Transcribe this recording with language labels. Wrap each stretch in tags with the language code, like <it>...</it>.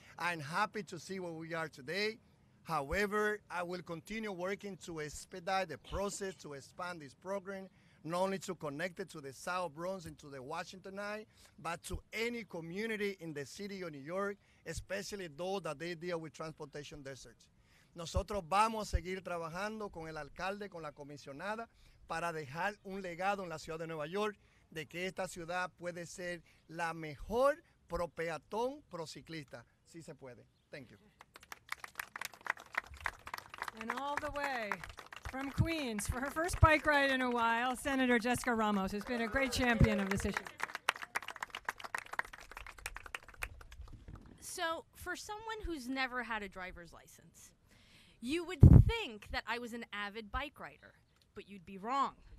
<en>I'm happy to see where we are today. However, I will continue working to expedite the process to expand this program, not only to connect it to the South Bronx and to the Washington Heights, but to any community in the city of New York, especially those that they deal with transportation deserts.</en> <es>Nosotros vamos a seguir trabajando con el alcalde, con la comisionada, para dejar un legado en la ciudad de Nueva York de que esta ciudad puede ser la mejor pro peatón, pro ciclista. Sí se puede.</es> <en>Thank you. And all the way from Queens, for her first bike ride in a while, Senator Jessica Ramos has been a great champion of this issue. So, for someone who's never had a driver's license, you would think that I was an avid bike rider, but you'd be wrong.</en>